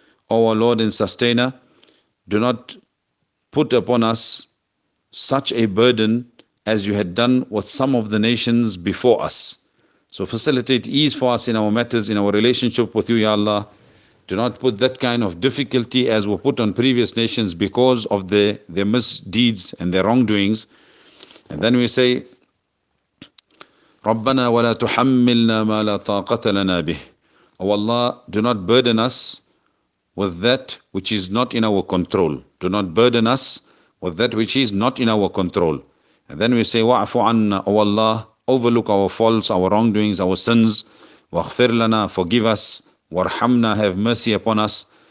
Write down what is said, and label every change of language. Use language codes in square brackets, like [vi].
[en] O Lord and Sustainer, do not put upon us such a burden as you had done with some of the nations before us. So facilitate ease for us in our matters, in our relationship with you, Ya Allah. Do not put that kind of difficulty as were put on previous nations because of their misdeeds and their wrongdoings. And then we say, [ar] رَبَّنَا وَلَا تُحَمِّلْنَا مَا لَا طَاقَةَ لَنَا بِهِ. [en] O Allah, do not burden us with that which is not in our control. Do not burden us with that which is not in our control. And then we say, [ar] وَعْفُ عَنَّا. [en] O Allah, overlook our faults, our wrongdoings, our sins. [ar] وَغْفِرْ لَنَا. [en] Forgive us. [ar] وَارْحَمْنَا. [en] Have mercy upon us.